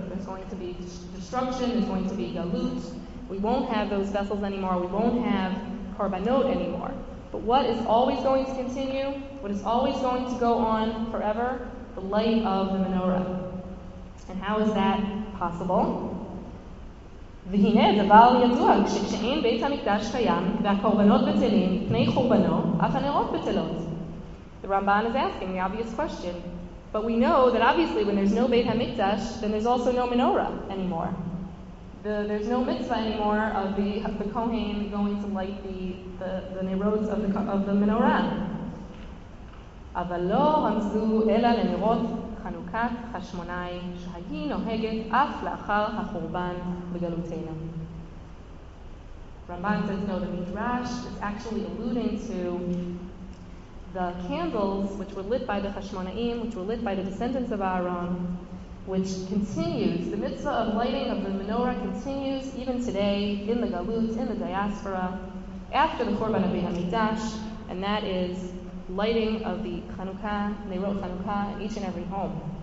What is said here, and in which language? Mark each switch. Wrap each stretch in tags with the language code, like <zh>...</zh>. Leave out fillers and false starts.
<en>There's going to be destruction, there's going to be galut. We won't have those vessels anymore, we won't have korbanot anymore. But what is always going to continue, what is always going to go on forever, the light of the menorah. And how is that possible?</en> <he>והנה דבר ידוע, כשאין בית המקדש קיים, והקורבנות בטלים, פני חורבנו, אף הנרות בטלות.</he> <en>The Ramban is asking the obvious question. But we know that obviously when there's no Beit HaMikdash, then there's also no menorah anymore. There's no mitzvah anymore of the Kohen going to light the nerot of the menorah.</en> <he>אבל לא רמזו אלא לנרות חנוכת חשמונאי שהיא נוהגת אף לאחר החורבן בגלותינו.</he> <en>Ramban says, no, the Midrash is actually alluding to the candles which were lit by the Chashmonaim, which were lit by the descendants of Aaron, which continues, the mitzvah of lighting of the menorah continues even today in the Galut, in the diaspora, after the Korban of Beit HaMikdash, and that is lighting of the Chanukah, Neirot Chanukah, in each and every home.</en>